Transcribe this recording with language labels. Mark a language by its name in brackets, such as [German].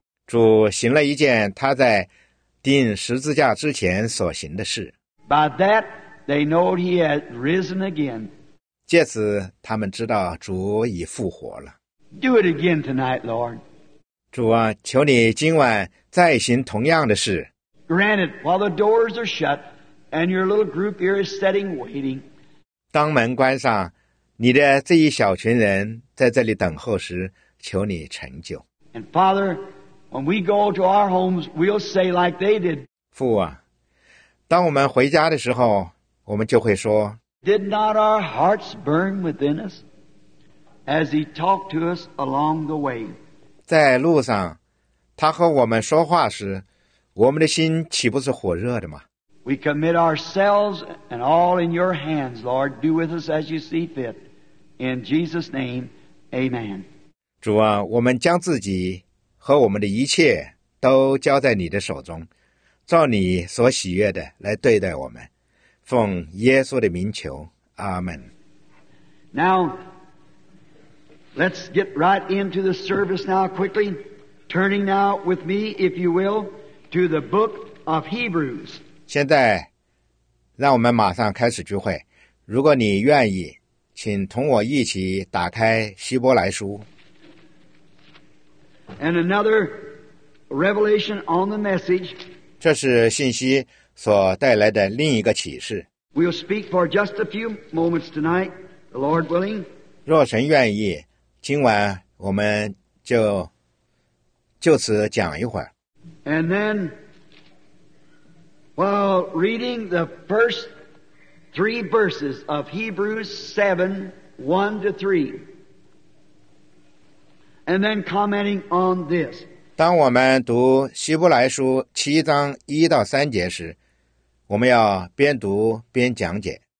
[Chinese] 主行了一件他在钉十字架之前所行的事。 [English] By that, they know he had risen again. [Chinese] 借此，他们知道主已复活了。 [English] Do it again tonight, Lord. [Chinese] 主啊，求你今晚再行同样的事。 [English] Granted, while the doors are shut and your little group here is sitting waiting. [Chinese] 当门关上，你的这一小群人在这里等候时，求你成就。 [English] And Father, when we go to our homes, we'll say like they did. [Chinese] 父啊，当我们回家的时候，我们就会说， [English] Did not our hearts burn within us as he talked to us along the way? [Chinese] 在路上，他和我们说话时，我们的心岂不是火热的吗？ [English] We commit ourselves and all in your hands, Lord. Do with us as you see fit. In Jesus' name, amen. [Chinese] 主啊，我们将自己和我们的一切都交在你的手中，照你所喜悦的来对待我们。奉耶稣的名求，阿们。 [English] Now,Let's get right into the service now quickly, turning now with me, if you will, to the book of Hebrews. [Chinese] 现在让我们马上开始聚会。如果你愿意，请同我一起打开希伯来书。 [English] And another revelation on the message. [Chinese] 这是信息所带来的另一个启示。 [English] We'll speak for just a few moments tonight, the Lord willing. [Chinese] 若神愿意。今晚我们就此讲一会儿。 [English] And then, while reading the first three verses of Hebrews 7:1-3, and then commenting on this. [Chinese] 当我们读希伯来书7:1-3时，我们要边读边讲解。